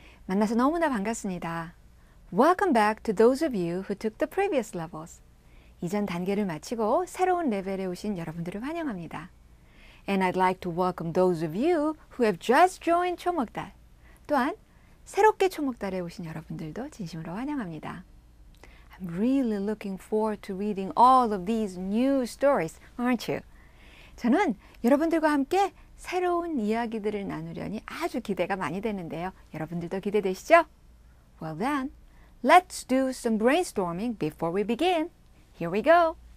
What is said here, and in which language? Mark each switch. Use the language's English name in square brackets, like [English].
[Korean] 만나서 너무나 반갑습니다. [English] Welcome back to those of you who took the previous levels. [Korean] 이전 단계를 마치고 새로운 레벨에 오신 여러분들을 환영합니다. [English] And I'd like to welcome those of you who have just joined 초목달. [Korean] 또한 새롭게 초목달에 오신 여러분들도 진심으로 환영합니다. [English] I'm really looking forward to reading all of these new stories, aren't you? [Korean] 저는 여러분들과 함께 새로운 이야기들을 나누려니 아주 기대가 많이 되는데요. 여러분들도 기대되시죠? [English] Well then, let's do some brainstorming before we begin. Here we go.